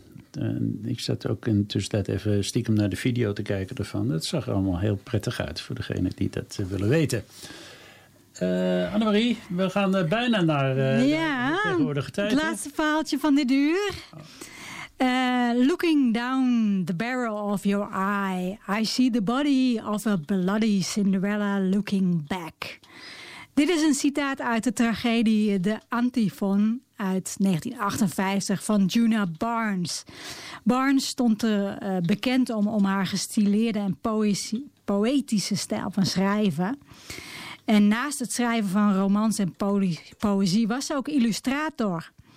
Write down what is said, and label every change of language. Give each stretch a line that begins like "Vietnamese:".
Dutch: En ik zat ook in tussentijd even stiekem naar de video te kijken ervan. Dat zag er allemaal heel prettig uit voor degenen die dat willen weten. Annemarie, we gaan bijna naar tegenwoordige tijd. Het laatste verhaaltje van dit uur.
English: Looking down the barrel of your eye, I see the body of a bloody Cinderella looking back.
Dutch: Dit is een citaat uit de tragedie De Antiphon uit 1958 van Juna Barnes. Barnes stond bekend om haar gestileerde en poëtische stijl van schrijven. En naast het schrijven van romans en poëzie was ze ook illustrator.